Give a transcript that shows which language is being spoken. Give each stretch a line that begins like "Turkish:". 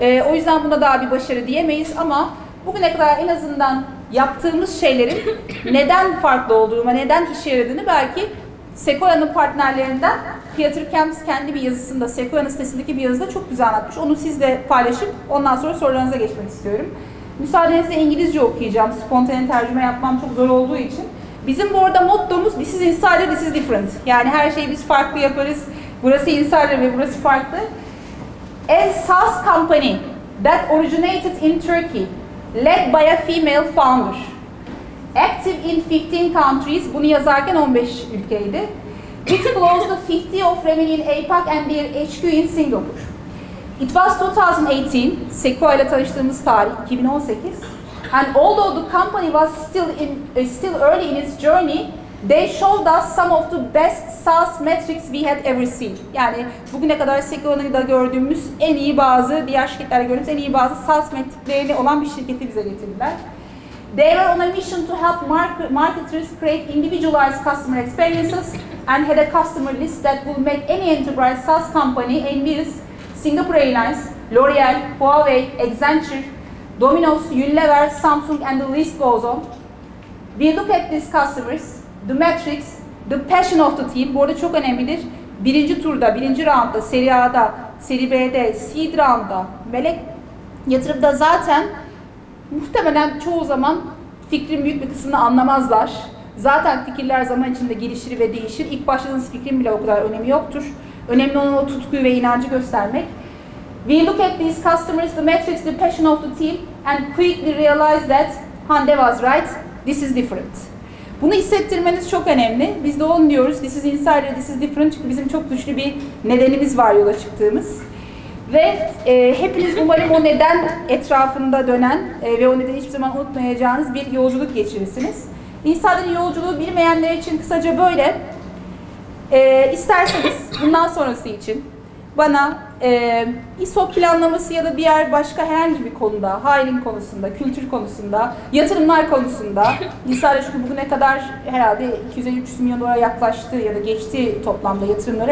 Turkish: O yüzden buna daha bir başarı diyemeyiz ama bugüne kadar en azından yaptığımız şeylerin neden farklı olduğuna, neden işe yaradığını belki Sequoia'nın partnerlerinden Peter Kemps kendi bir yazısında, Sequoia'nın sitesindeki bir yazıda çok güzel anlatmış. Onu sizle paylaşıp ondan sonra sorularınıza geçmek istiyorum. Müsaadenizle İngilizce okuyacağım. Spontane tercüme yapmam çok zor olduğu için. Bizim bu arada mottomuz
English: this is insider, this is different.
Turkish: Yani her şeyi biz farklı yaparız. Burası insider ve burası farklı.
English: A SaaS company that originated in Turkey, led by a female founder. Active in 15 countries,
Turkish: bunu yazarken 15 ülkeydi.
English: It closed the 50 of revenue in APAC and their HQ in Singapore. It was 2018,
Turkish: Sequoia ile tanıştığımız tarih 2018.
English: And although the company was still early in its journey, they showed us some of the best SaaS metrics we had ever seen.
Turkish: Yani bugüne kadar Sequoia'nın da gördüğümüz en iyi bazı, diğer şirketlerle gördüğümüz en iyi bazı SaaS metriklerini olan bir şirketi bize getirdiler.
English: They were on a mission to help marketers create individualized customer experiences and had a customer list that will make any enterprise SaaS company envious. Singapore Airlines, L'Oreal, Huawei, Accenture, Domino's, Unilever, Samsung and the list goes on. We look at these customers, the metrics, the passion of the team.
Turkish: Bu arada çok önemlidir. Birinci turda, birinci roundda, Seri A'da, Seri B'de, Seed roundda, Melek yatırımda zaten muhtemelen çoğu zaman fikrin büyük bir kısmını anlamazlar. Zaten fikirler zaman içinde gelişir ve değişir. İlk başladığınız fikrin bile o kadar önemi yoktur. Önemli olan o tutkuyu ve inancı göstermek.
English: We look at these customers, the metrics, the passion of the team and quickly realize that Hande was right, this is different.
Turkish: Bunu hissettirmeniz çok önemli. Biz de onu diyoruz,
English: this is insider, this is different.
Turkish: Çünkü bizim çok güçlü bir nedenimiz var yola çıktığımız. Ve hepiniz umarım o neden etrafında dönen ve o nedeni hiçbir zaman unutmayacağınız bir yolculuk geçirirsiniz. Insider'in yolculuğu bilmeyenler için kısaca böyle. İsterseniz bundan sonrası için bana ISOP planlaması ya da diğer başka herhangi bir konuda, hiring konusunda, kültür konusunda, yatırımlar konusunda, insanlar çünkü bugüne kadar herhalde 200-300 milyon dolara yaklaştı ya da geçti toplamda yatırımlara.